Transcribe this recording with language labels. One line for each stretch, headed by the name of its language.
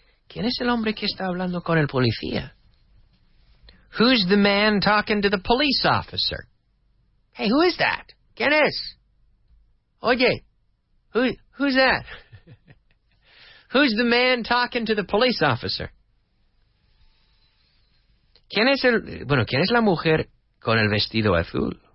Spanish: ¿Quién es el hombre que está hablando con el policía?
English: Who's the man talking to the police officer? Hey, who is that?
Spanish: ¿Quién es?
English: Oye, who's that? Who's the man talking to the police officer?
Spanish: ¿Quién es la mujer con el vestido azul?